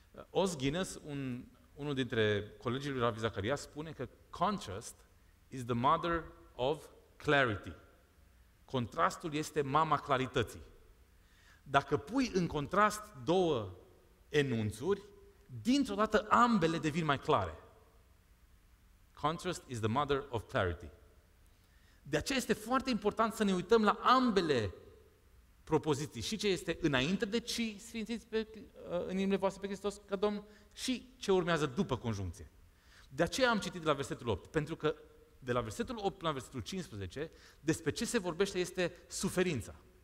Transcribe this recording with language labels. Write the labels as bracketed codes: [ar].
[ro] Os Guinness, unul dintre colegii lui Rav Zacharia, spune că [en] contrast is the mother of clarity. [ro] Contrastul este mama clarității. Dacă pui în contrast două enunțuri, dintr-o dată ambele devin mai clare. [en] Contrast is the mother of clarity. [ro] De aceea este foarte important să ne uităm la ambele propoziții. Și ce este înainte de ci sfințiți în inimile voastre pe Hristos ca Domn și ce urmează după conjuncție. De aceea am citit de la versetul 8, pentru că de la versetul 8 la versetul 15, despre ce se vorbește este suferința.